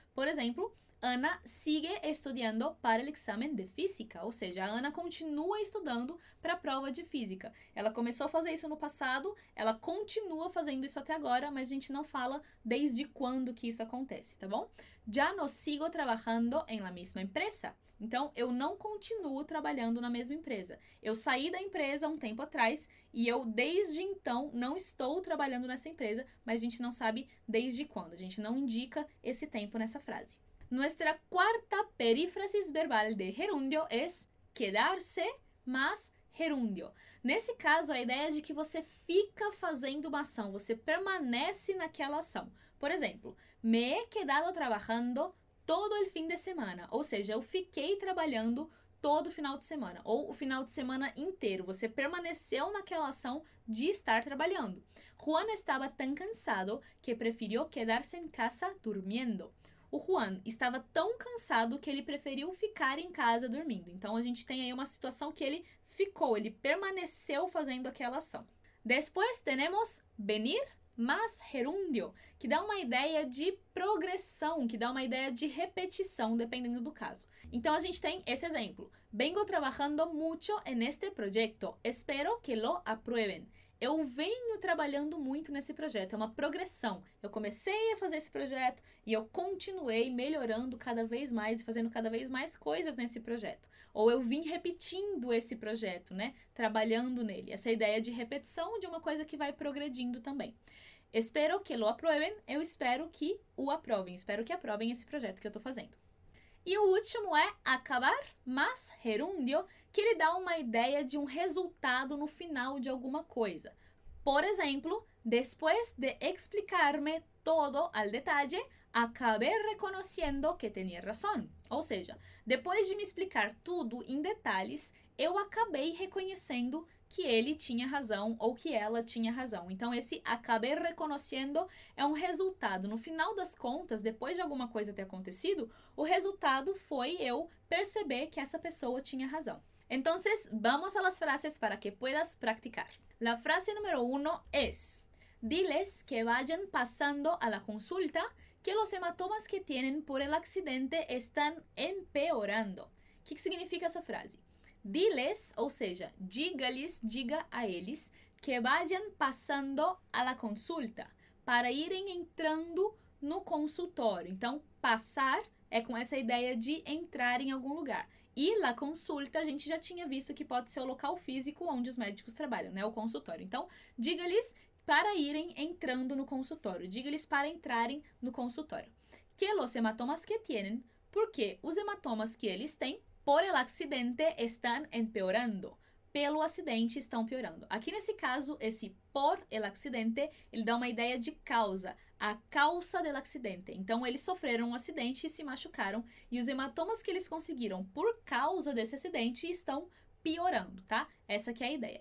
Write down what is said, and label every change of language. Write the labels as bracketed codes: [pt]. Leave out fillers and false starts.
[pt] Por exemplo, [es] Ana sigue estudiando para el examen de física, [pt] ou seja, a Ana continua estudando para a prova de física. Ela começou a fazer isso no passado, ela continua fazendo isso até agora, mas a gente não fala desde quando que isso acontece, tá bom? [es] Ya no sigo trabajando en la misma empresa. [pt] Então, eu não continuo trabalhando na mesma empresa. Eu saí da empresa um tempo atrás e eu, desde então, não estou trabalhando nessa empresa, mas a gente não sabe desde quando. A gente não indica esse tempo nessa frase. [es] Nuestra cuarta perífrasis verbal de gerundio es quedarse más gerundio. [pt] Nesse caso, a ideia é de que você fica fazendo uma ação, você permanece naquela ação. Por exemplo, [es] me he quedado trabajando todo el fin de semana. [pt] Ou seja, eu fiquei trabalhando todo final de semana. Ou o final de semana inteiro. Você permaneceu naquela ação de estar trabalhando. Juan estava tão cansado que preferiu [es] quedarse en casa durmiendo. [pt] O Juan estava tão cansado que ele preferiu ficar em casa dormindo. Então, a gente tem aí uma situação que ele ficou, ele permaneceu fazendo aquela ação. Depois, temos venir más gerundio, que dá uma ideia de progressão, que dá uma ideia de repetição, dependendo do caso. Então, a gente tem esse exemplo. [es] Vengo trabajando mucho en este proyecto. Espero que lo aprueben. [pt] Eu venho trabalhando muito nesse projeto, é uma progressão. Eu comecei a fazer esse projeto e eu continuei melhorando cada vez mais e fazendo cada vez mais coisas nesse projeto. Ou eu vim repetindo esse projeto, né? Trabalhando nele. Essa ideia de repetição de uma coisa que vai progredindo também. [es] Espero que lo aprueben, [pt] eu espero que o aprovem, espero que aprovem esse projeto que eu estou fazendo. E o último é acabar más gerundio, que ele dá uma ideia de um resultado no final de alguma coisa. Por exemplo, [es] después de explicarme todo al detalle, acabé reconociendo que tenía razón. [pt] Ou seja, depois de me explicar tudo em detalhes, eu acabei reconhecendo que ele tinha razão ou que ela tinha razão. Então, esse acabei reconociendo é um resultado. No final das contas, depois de alguma coisa ter acontecido, o resultado foi eu perceber que essa pessoa tinha razão. Então, vamos às frases [es] para que puedas practicar. La frase número 1 é: diles que vayan pasando a la consulta que los hematomas que tienen por el accidente están empeorando. [pt] O que significa essa frase? Diles, ou seja, diga-lhes, diga a eles, [es] que vayan passando a la consulta, [pt] para irem entrando no consultório. Então, passar é com essa ideia de entrar em algum lugar. E la consulta, a gente já tinha visto que pode ser o local físico onde os médicos trabalham, né? O consultório. Então, diga-lhes para irem entrando no consultório. Diga-lhes para entrarem no consultório. [es] Que los hematomas que tienen, [pt] porque os hematomas que eles têm, [es] por el accidente están empeorando. [pt] Pelo acidente estão piorando. Aqui nesse caso, esse por el accidente, ele dá uma ideia de causa. [es] A causa del accidente. [pt] Então, eles sofreram um acidente e se machucaram. E os hematomas que eles conseguiram por causa desse acidente estão piorando, tá? Essa que é a ideia.